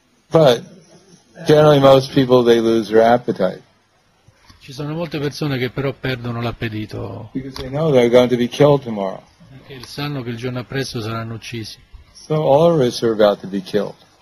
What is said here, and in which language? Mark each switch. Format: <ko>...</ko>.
<en>But generally most people they lose their appetite.</en> <it>Ci sono molte persone che però perdono l'appetito.</it> <en>Because they know they're going to be killed tomorrow.</en> <it>Perché sanno che il giorno appresso saranno uccisi.</it> <en>So all of us are about to be killed.</en>